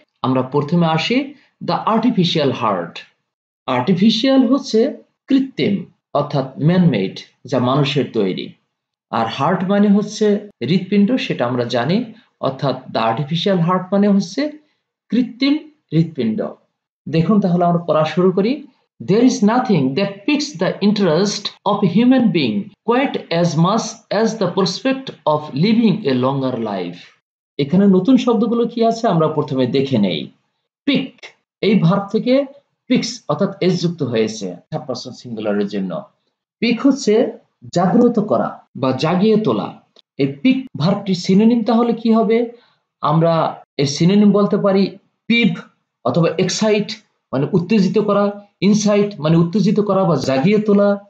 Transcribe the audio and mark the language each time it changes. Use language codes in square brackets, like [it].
[bn] আমরা প্রথমে আসি দ্য আর্টিফিশিয়াল হার্ট। আর্টিফিশিয়াল হচ্ছে কৃত্রিম অর্থাৎ ম্যানমেড, যা মানুষের তৈরি। আর হার্ট মানে হচ্ছে হৃৎপিণ্ড, সেটা আমরা জানি, অর্থাৎ দ্য আর্টিফিশিয়াল হার্ট মানে হচ্ছে কৃত্রিম হৃৎপিণ্ড। দেখুন তাহলে আমরা পড়া শুরু করি। [en] There is nothing that piques the interest of a human being quite as much as the prospect of living a longer life. [bn] এখানে নতুন শব্দগুলো কি আছে আমরা প্রথমে দেখে নেই। পিক, এই ভার্ব থেকে পিক্স অর্থাৎ এস যুক্ত হয়েছে থার্ড পারসন সিঙ্গুলারের জন্য। পিক হচ্ছে জাগ্রত করা বা জাগিয়ে তোলা। এই পিক ভার্বটির সিনোনিম তাহলে কি হবে, আমরা এর সিনোনিম বলতে পারি পিভ অথবা এক্সাইট মানে উত্তেজিত করা, ইনসাইট মানে উত্তেজিত করা বা জাগিয়ে তোলা,